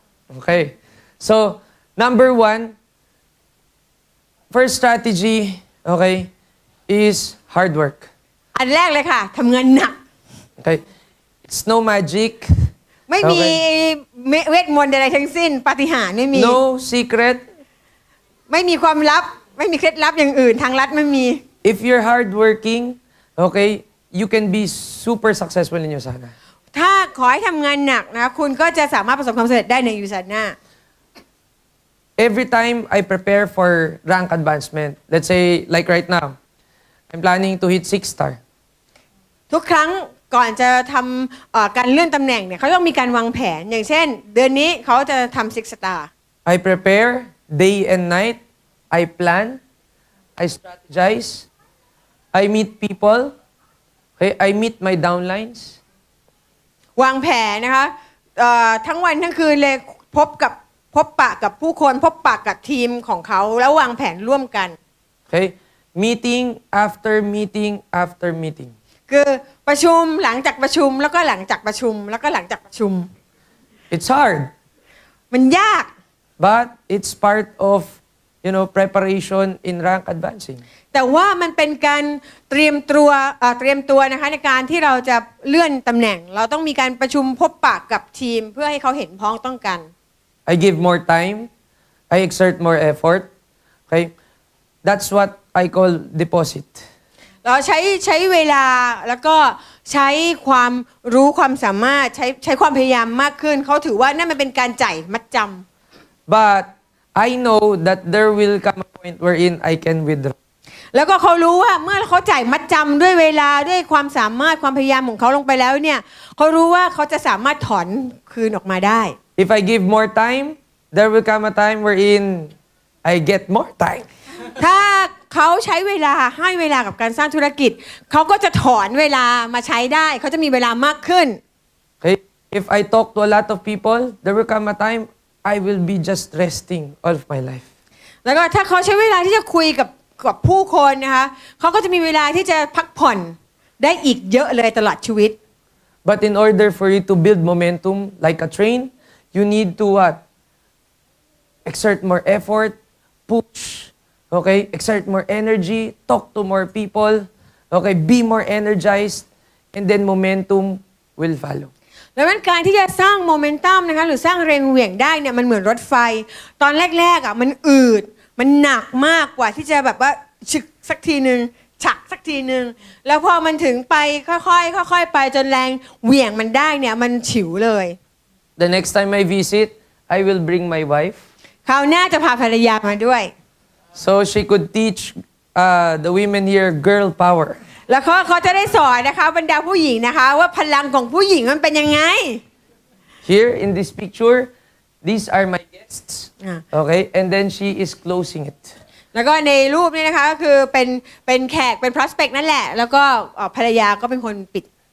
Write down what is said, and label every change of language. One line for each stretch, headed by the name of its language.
English: โอเค so number one first strategy okay is hard work
Thai: อันแรกเลยค่ะทำงานหนัก
English: Okay, it's no magic.
Thai: ไม่มีเวทมนต์ใดๆทั้งสิ้นปาฏิหาริย์ไม่มี
English: No secret.
Thai: ไม่มีความลับไม่มีเคล็ดลับอย่างอื่นทางลัดไม่มี
English: If you're hardworking, okay, you can be super successful in Yusana.
Thai: ถ้าขอให้ทำงานหนักนะคุณก็จะสามารถประสบความสำเร็จได้ในYusana.
English: Every time I prepare for rank advancement, let's say like right now, I'm planning to hit 6-star.
Thai: ทุกครั้งก่อนจะทำการเลื่อนตำแหน่งเนี่ยเขาต้องมีการวางแผนอย่างเช่นเดือนนี้เขาจะทำ six star
English: I prepare day and night I plan I strategize I meet people okay I meet my downlines
Thai: วางแผนนะคะทั้งวันทั้งคืนเลยพบปะกับผู้คนพบปะกับทีมของเขาแล้ววางแผนร่วมกัน
English: okay meeting after meeting after meeting
Thai: คือประชุมหลังจากประชุมแล้วก็หลังจากประชุมแล้วก็หลังจากประชุม
English: It's hard
Thai: มันยาก
English: but it's part of you know preparation in rank advancing
Thai: แต่ว่ามันเป็นการเตรียมตัวเตรียมตัวนะคะในการที่เราจะเลื่อนตำแหน่งเราต้องมีการประชุมพบปะกับทีมเพื่อให้เขาเห็นพ้องต้องกัน
English: I give more time I exert more effort okay that's what I call deposit
Thai: เราใช้เวลาแล้วก็ใช้ความรู้ความสามารถใช้ความพยายามมากขึ้นเขาถือว่านั่นมันเป็นการจ่ายมัดจำ
English: But I know that there will come a point wherein I can withdraw
Thai: แล้วก็เขารู้ว่าเมื่อเขาจ่ายมัดจำด้วยเวลาด้วยความสามารถความพยายามของเขาลงไปแล้วเนี่ยเขารู้ว่าเขาจะสามารถถอนคืนออกมาได้
English: If I give more time there will come a time wherein I get more time
Thai: ถ้าเขาใช้เวลาให้เวลากับการสร้างธุรกิจเขาก็จะถอนเวลามาใช้ได้เขาจะมีเวลามากขึ้น
English: If I talk to a lot of people there will come a time I will be just resting all of my life.
Thai: แล้วก็ถ้าเขาใช้เวลาที่จะคุยกับผู้คนนะคะเขาก็จะมีเวลาที่จะพักผ่อนได้อีกเยอะเลยตลอดชีวิต
English: But in order for you to build momentum like a train, you need to what? Exert more effort, push, okay? Exert more energy, talk to more people, okay? Be more energized, and then momentum will follow.
Thai: ดังนั้นการที่จะสร้างโมเมนตัมนะคะหรือสร้างแรงเหวี่ยงได้เนี่ยมันเหมือนรถไฟตอนแรกๆอ่ะมันอืดมันหนักมากกว่าที่จะแบบว่าฉึกสักทีนึงฉักสักทีนึงแล้วพอมันถึงไปค่อยๆไปจนแรงเหวี่ยงมันได้เนี่ยมันฉิวเลย
English: The next time I visit I will bring my wife
Thai: คราวหน้าจะพาภรรยามาด้วย
English: So she could teach the women here girl power
Thai: แล้วเขาจะได้สอนนะคะบรรดาผู้หญิงนะคะว่าพลังของผู้หญิงมันเป็นยังไง
English: Here in this picture these are my guests okay and then she is closing it
Thai: แล้วก็ในรูปนี้นะคะก็คือเป็นแขกเป็น prospect นั่นแหละแล้วก็ภรรยาก็เป็นคนปิด